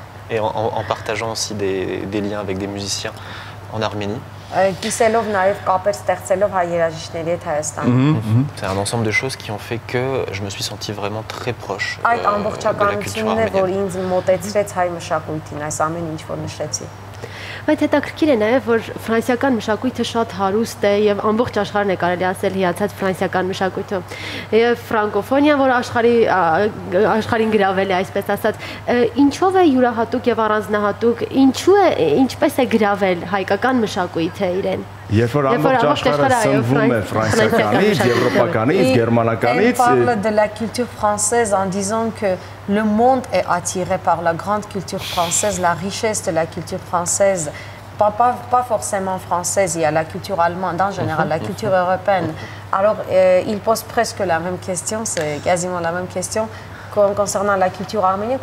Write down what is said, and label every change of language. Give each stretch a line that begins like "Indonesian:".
French: Et en partageant aussi des liens avec des musiciens en Arménie. C'est un ensemble de choses qui ont fait que je me suis senti vraiment très proche de la culture arménienne.
Armenian: Բայց հետաքրքիր է նաև, որ ֆրանսիական մշակույթը շատ հարուստ է եւ ամբողջ աշխարհն է կարելի ասել հիացած ֆրանսիական մշակույթով։ Եվ ֆրանկոֆոնիան, որ աշխարհին գրավել է, այսպես ասած, ինչով է յուրահատուկ եւ առանձնահատուկ, ինչու է, ինչպես է գրավել հայկական մշակույթը իրեն։ Երբ որ ամբողջ աշխարհը սնվում է ֆրանսականից, եվրոպականից, գերմանականից,
French: parle de la culture française en disant que le monde est attiré par la grande culture française, la richesse de la culture française, pas forcément française, il y a la culture allemande en général, la culture européenne. Alors, il pose presque la même question, c'est quasiment la même question, concernant la culture arménienne.